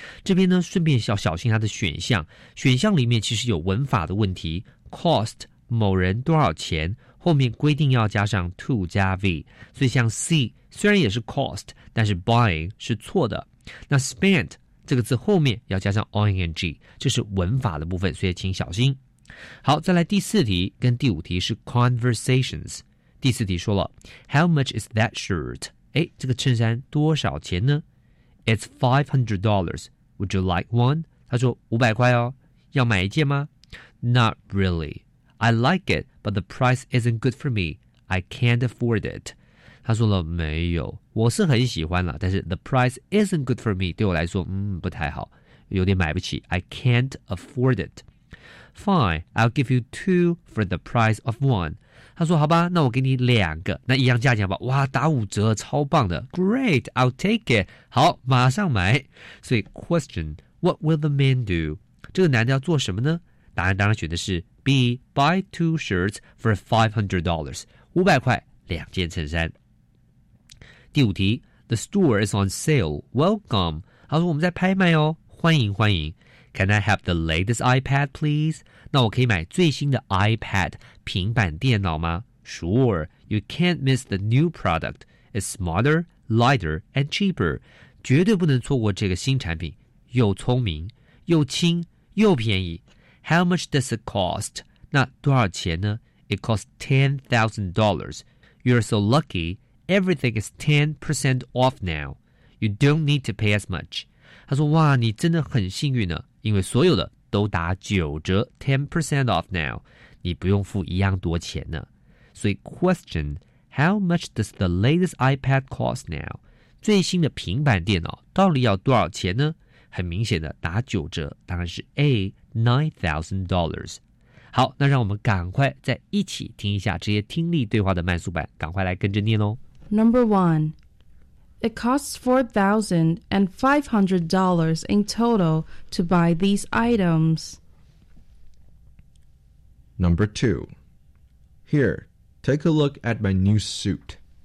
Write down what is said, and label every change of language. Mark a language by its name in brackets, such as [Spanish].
[Chinese] 这边呢，顺便要小心它的选项。选项里面其实有文法的问题 ，cost 某人多少钱，后面规定要加上 to 加 v， 所以像 C 虽然也是 cost， 但是 buying 是错的。那 spent 这个字后面要加上 ing， 这是文法的部分，所以请小心。好，再来第四题跟第五题是 conversations。第四题说了 [English] How much is that shirt? [Chinese] 诶，这个衬衫多少钱呢？ [English] It's $500. Would you like one? [Chinese] 他说500块哦，要买一件吗？ [English] Not really. I like it, but the price isn't good for me. I can't afford it. [Chinese] 他说了没有，我是很喜欢了，但是 [English] the price isn't good for me [Chinese] 对我来说不太好，有点买不起。 [English] I can't afford it. Fine, I'll give you two for the price of one. [Chinese] 他说好吧，那我给你两个，那一样价钱吧。哇，打五折，超棒的。 [English] Great, I'll take it. [Chinese] 好，马上买。所以 [English] question, what will the man do? [Chinese] 这个男的要做什么呢？答案当然选的是 B, [English] buy two shirts for $500. [Chinese] 500块，两件衬衫。第五题， [English] the store is on sale. Welcome. [Chinese] 他说我们在拍卖哦，欢迎欢迎。 [English] Can I have the latest iPad, please? [Chinese] 那我可以买最新的 iPad 平板电脑吗？ [English] Sure, you can't miss the new product. It's smarter, lighter, and cheaper. [Chinese] 绝对不能错过这个新产品，又聪明，又轻，又便宜。 [English] How much does it cost? [Chinese] 那多少钱呢？ [English] It costs $10,000. You're so lucky, everything is 10% off now. You don't need to pay as much. [Chinese] 他说，哇，你真的很幸运呢。因为所有的都打九折 [English] 10% off now， [Chinese] 你不用付一样多钱呢。所以 [English] question， How much does the latest iPad cost now？ [Chinese] 最新的平板电脑到底要多少钱呢？很明显的打九折当然是 A $9,000。好，那让我们赶快再一起听一下这些听力对话的慢速版，赶快来跟着念咯。 [English] Number 1，It costs $4,500 in total to buy these items. Number 2. Here, take a look at my new suit.